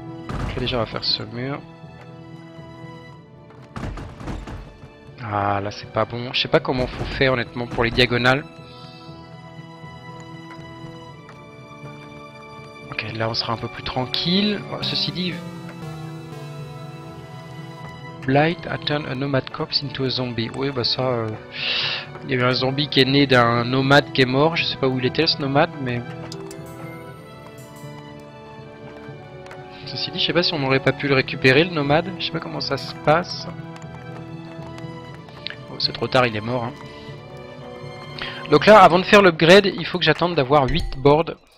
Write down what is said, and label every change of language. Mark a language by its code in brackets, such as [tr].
[fr] Ok, déjà, on va faire ce mur. Ah, là, c'est pas bon. Je sais pas comment faut faire, honnêtement, pour les diagonales. Ok, là, on sera un peu plus tranquille. Ceci dit... [en] Blight a turned a nomad corpse into a zombie. [fr] Oui, bah ça... Il y avait un zombie qui est né d'un nomade qui est mort. Je sais pas où il était, ce nomade, mais... Ceci dit, je sais pas si on n'aurait pas pu le récupérer, le nomade. Je sais pas comment ça se passe. Oh, c'est trop tard, il est mort. Hein. Donc là, avant de faire l'upgrade, il faut que j'attende d'avoir 8 boards.